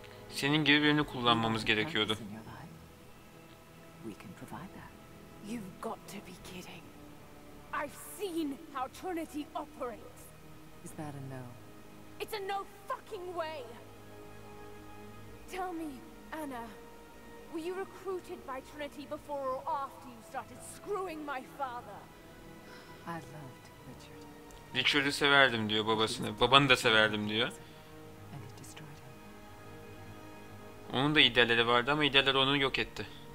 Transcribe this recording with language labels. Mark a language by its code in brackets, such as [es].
[tr] Senin gibi birini kullanmamız gerekiyordu. [en] We can provide that. You've got to be kidding. I've seen how Trinity operates. Is that a no? It's a no fucking way. Tell me, Anna, were you recruited by Trinity before or after you started screwing my father? I loved Richard. [tr] Richard'ı severdim diyor babasını. Babanı da severdim diyor. Onun da idealleri vardı ama idealleri onu yok etti.